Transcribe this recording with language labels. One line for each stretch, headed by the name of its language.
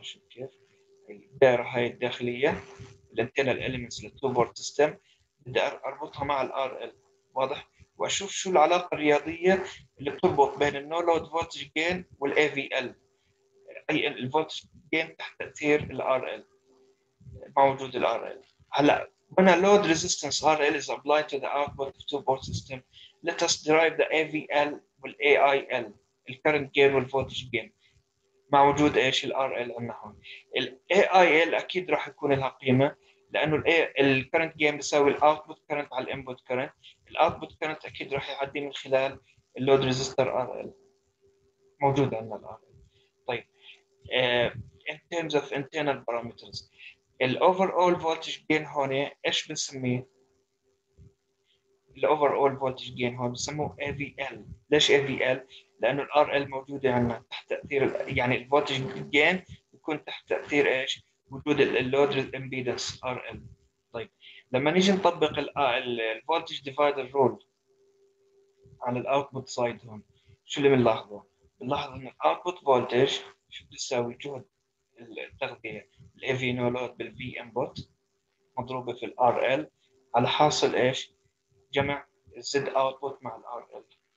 Arabic: كيف؟ الدائره هاي الداخليه الانتنا الاليمنتس للتو بورت سيستم بدي اربطها مع الار ال. واضح؟ واشوف شو العلاقه الرياضيه اللي بتربط بين النو لود فولتج جين والاي في ال، اي الفولتج جين تحت تاثير الار ال مع وجود الار ال.
English: هلا when a load resistance RL is applied to the output of two port system, let us derive the AVL وال AIL, ال current gain وال voltage gain
Arabic: مع وجود ايش ال RL عندنا هون. ال AIL اكيد راح يكون لها قيمه لانه ال current gain بيساوي ال output current على ال input current. ال output current اكيد راح يعدي من خلال ال load resistor RL موجود عندنا ال RL. طيب
English: in terms of internal parameters
Arabic: الـ overall voltage gain هون ايش بنسميه؟ الـ overall voltage gain هون بسموه AVL. ليش AVL؟ لأنه الـ RL موجودة عندنا تحت تأثير، يعني الـ voltage gain يكون تحت تأثير ايش؟ وجود الـ load impedance RL. طيب لما نيجي نطبق الـ voltage divider rule على الـ output side هون شو اللي بنلاحظه؟ بنلاحظ إن الـ output voltage شو بيساوي؟ جهد التغذية AV no load بال V input مضروبة في ال RL على حاصل ايش؟ جمع Z output مع ال RL.